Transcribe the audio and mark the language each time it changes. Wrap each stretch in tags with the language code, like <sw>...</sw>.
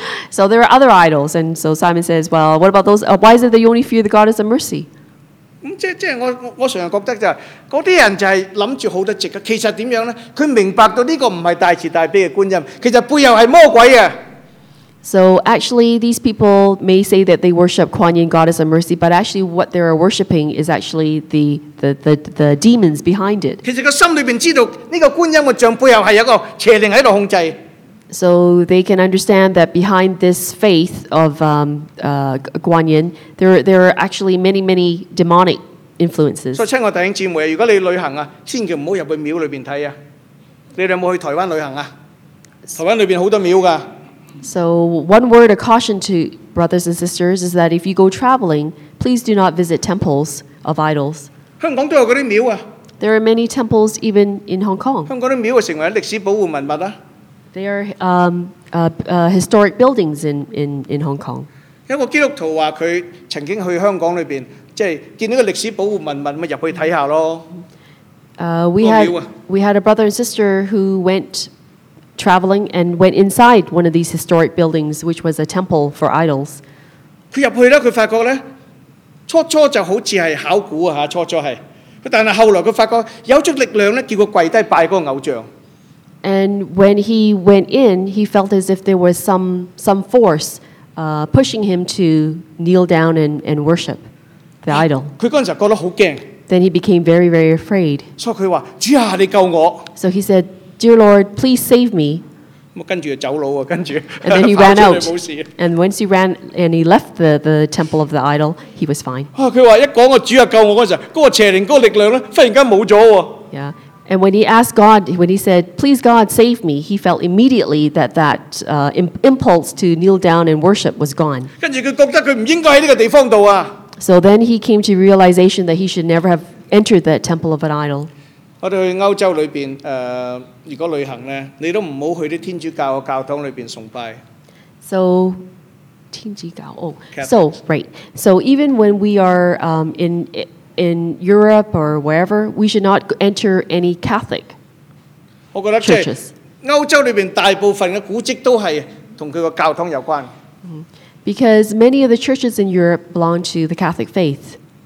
<en>So there are other idols, and so Simon says, "Well, what about those? Why is it that you only fear the goddess of mercy?"</en> <yue>咁即係我成日覺得就係嗰啲人就係諗住好得直嘅。其實點樣咧？佢明白到呢個唔係大慈大悲嘅觀音，其實背後係魔鬼啊！</yue> <en>So actually, these people may say that they worship Kuan Yin, Goddess of Mercy, but actually, what they are worshiping is actually the demons behind it.</en> <yue>其實個心裏邊知道呢個觀音嘅像背後係有個邪靈喺度控制。</yue> <en>So they can understand that behind this faith of Kuan Yin, there are actually many many demonic influences.</en> <yue>所以，親愛弟兄姊妹，如果你旅行啊，千祈唔好入去廟裏邊睇啊！你哋有冇去台灣旅行啊？台灣裏邊好多廟噶。</yue> <en>So one word of caution to brothers and sisters is that if you go traveling, please do not visit temples of idols.</en> <yue>香港都有嗰啲廟啊。</yue> <en>There are many temples even in Hong Kong.</en> <yue>香港啲廟啊，成為歷史保護文物啊。</yue> <en>They are historic buildings in Hong Kong.</en> <yue>有個基督徒話佢曾經去香港裏邊，即係見到個歷史保護文物，咪入去睇下咯。</yue> <en>We had a brother and sister who went. Traveling and went inside one of these historic buildings, which was a temple for idols.</en> <yue>佢入去咧，佢發覺咧，初就好似係考古啊，初係，但係後來佢發覺有種力量咧，叫佢跪低拜嗰個偶像。</yue> <en>And when he went in, he felt as if there was some force, pushing him to kneel down and worship the idol.</en> <yue>佢嗰陣時覺得好驚。</yue> <en>Then he became very very afraid.</en> <yue>所以佢話：主啊，你救我。</yue> <en>So he said. Dear Lord, please save me.</en> <yue>跟住就走佬喎，跟住。</yue> <en>And then he ran out. And once he ran and he left the temple of the idol, he was fine.</en> <yue>啊，佢話一講個主啊救我嗰陣，嗰個邪靈嗰個力量咧，忽然間冇咗喎。</yue> <en>Yeah. And when he asked God, when he said, "Please, God, save me," he felt immediately that impulse to kneel down and worship was gone. 跟住佢覺得佢唔應該喺呢個地方度啊。 So then he came to realization that he should never have entered that temple of an idol.</en> <yue>我哋去歐洲裏邊，如果旅行咧，你都唔好去啲天主教嘅教堂裏邊崇拜。</yue> <en>So 天主教哦、oh,，so right. So even when we are in Europe or wherever, we should not enter any Catholic churches.</en> <yue>我覺得即係歐洲裏邊大部分嘅古蹟都係同佢個教堂有關。</yue> <en>Because many of the churches in Europe belong to the Catholic faith.</en>